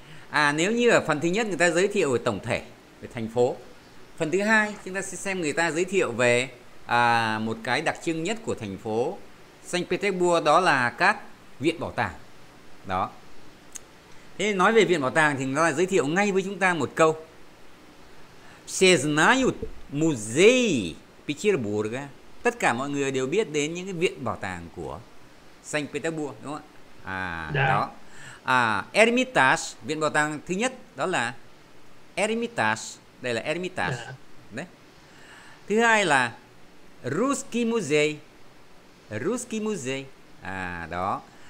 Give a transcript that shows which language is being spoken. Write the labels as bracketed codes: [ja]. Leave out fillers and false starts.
[vi] À nếu như ở phần thứ nhất người ta giới thiệu về tổng thể về thành phố, phần thứ hai chúng ta sẽ xem người ta giới thiệu về một cái đặc trưng nhất của thành phố Saint Petersburg, đó là các viện bảo tàng. Đó. Thế nói về viện bảo tàng thì người ta giới thiệu ngay với chúng ta một câu. [ru] Все знают музей Петербурга. [vi] Tất cả mọi người đều biết đến những cái viện bảo tàng của Saint Petersburg đúng không ạ? À Đã. đó. À, Eremitage, viện bảo tàng thứ nhất đó là Eremitage, đây là Eremitage. Đã. Đấy. Thứ hai là Ruski Musée. À đó.